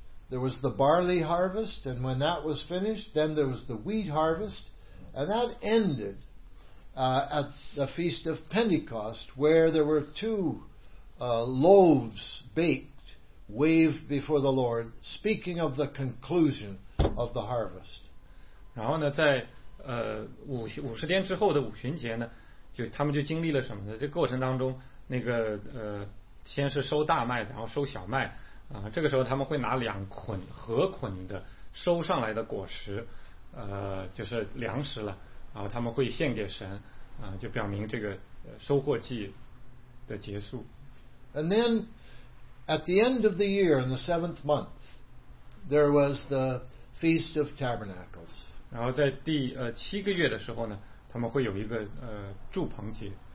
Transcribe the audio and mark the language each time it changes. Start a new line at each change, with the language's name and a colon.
English: There was the barley harvest, and when that was finished, then there was the wheat harvest, and that ended at the Feast of Pentecost, where there were two loaves baked, waved before the Lord, speaking of the conclusion of the harvest.
Chinese: 然后呢，在五十天之后的五旬节呢，就他们就经历了什么呢？这过程当中，那个先是收大麦，然后收小麦。这个时候他们会拿两捆合捆的收上来的果实，就是粮食了，然后他们会献给神，就表明这个收获季的结束。
English: And then at the end of the year, in the seventh month, there was the Feast of Tabernacles.
Chinese: 然后在第七个月的时候呢，他们会有一个祝棚节。